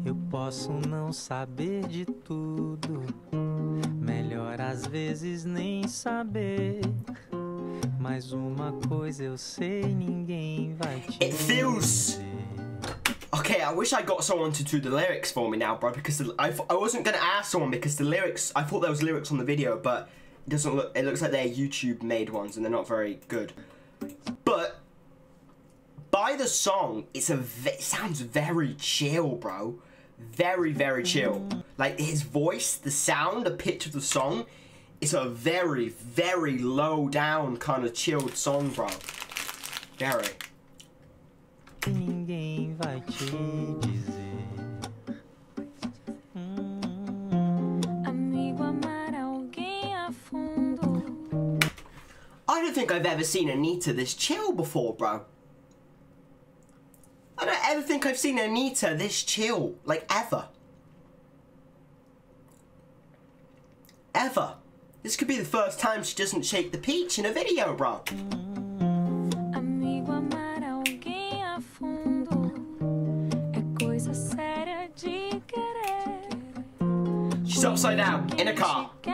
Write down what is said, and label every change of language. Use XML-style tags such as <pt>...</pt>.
<pt>Posso não saber de tudo, melhor às vezes nem saber, mas uma coisa eu sei, ninguém vai te</pt> <en>It feels... Okay, I wish I got someone to do the lyrics for me now, bro, because I wasn't gonna ask someone because the lyrics, I thought there was lyrics on the video, but it doesn't look, it looks like they're YouTube made ones and they're not very good. But by the song, it sounds very chill, bro. Very, very chill. Like his voice, the sound, the pitch of the song, it's a very, very low down kind of chilled song, bro. Very.</en> <pt>Ninguém vai te dizer. Amigo, amar alguém a fundo.</pt> <en>don't think I've ever seen Anitta this chill before, bro. I don't ever think I've seen Anitta this chill, like, ever. Ever. This could be the first time she doesn't shake the peach in a video, bro.</en> <pt>Amigo, amar alguém a fundo é coisa séria de querer.</pt> <en>She's upside down, in a car.</en>